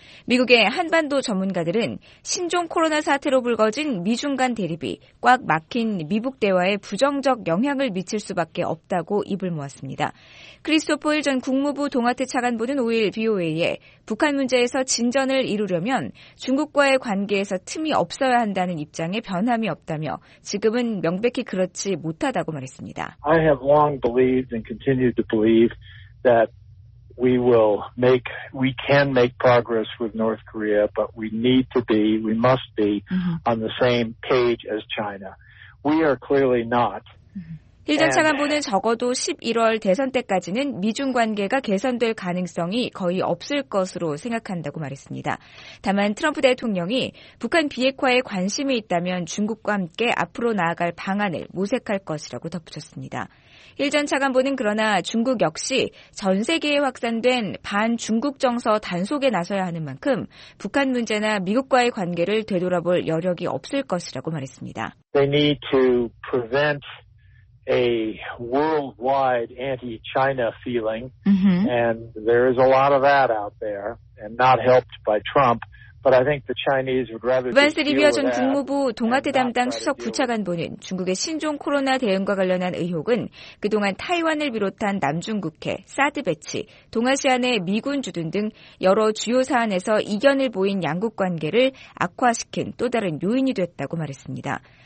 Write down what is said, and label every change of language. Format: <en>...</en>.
<ko>미국의 한반도 전문가들은 신종 코로나 사태로 불거진 미중 간 대립이 꽉 막힌 미북 대화에 부정적 영향을 미칠 수밖에 없다고 입을 모았습니다. 크리스토퍼 힐 전 국무부 동아태 차관보는 5일 BOA에 북한 문제에서 진전을 이루려면 중국과의 관계에서 틈이 없어야 한다는 입장에 변함이 없다며 지금은 명백히 그렇지 못하다고 말했습니다.</ko> <en>I have long believed and continue to believe that we will make, we can make progress with North Korea, but we need to be, we must be on the same page as China. We are clearly not.</en> <ko>힐 전 차관보는 적어도 11월 대선 때까지는 미중 관계가 개선될 가능성이 거의 없을 것으로 생각한다고 말했습니다. 다만 트럼프 대통령이 북한 비핵화에 관심이 있다면 중국과 함께 앞으로 나아갈 방안을 모색할 것이라고 덧붙였습니다. 힐 전 차관보는 그러나 중국 역시 전 세계에 확산된 반중국 정서 단속에 나서야 하는 만큼 북한 문제나 미국과의 관계를 되돌아볼 여력이 없을 것이라고 말했습니다.</ko> <en>They need to prevent a worldwide anti-China feeling, and there is a lot of that out there, and not helped by Trump. But I think the Chinese would rather.</en> <ko>이반스 리비어 전 국무부 동아태 담당 수석 부차관보는 중국의 신종 코로나 대응과 관련한 의혹은 그동안 타이완을 비롯한 남중국해, 사드 배치, 동아시아 내 미군 주둔 등 여러 주요 사안에서 이견을 보인 양국 관계를 악화시킨 또 다른 요인이 됐다고 말했습니다.</ko>